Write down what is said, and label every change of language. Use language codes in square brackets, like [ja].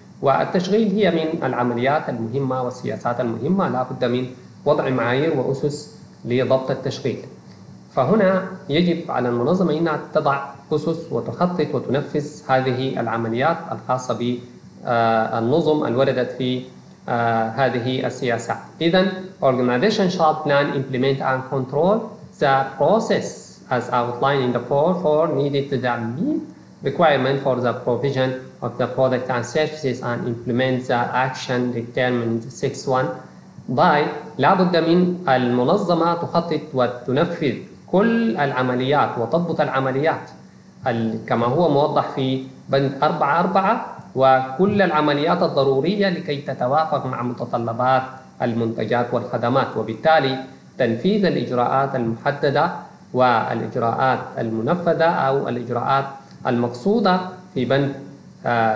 [ar] والتشغيل هي من العمليات المهمة والسياسات المهمة لا بد من وضع معايير وأسس لضبط التشغيل. فهنا يجب على المنظمة أنها تضع أسس وتخطط وتنفذ هذه العمليات الخاصة بالنظم الوردت في هذه السياسات. [en] إذن Organization shall plan, implement and control the process as outlined in the four needed to meet requirement for the provision of the product and services and implement the action determined 6.1 by. [ar] لا بد من المنظمة تخطط وتنفذ كل العمليات وتضبط العمليات كما هو موضح في بند 4.4 وكل العمليات الضرورية لكي تتوافق مع متطلبات المنتجات والخدمات، وبالتالي تنفيذ الإجراءات المحددة والإجراءات المنفذة أو الإجراءات المقصودة في بند 6.1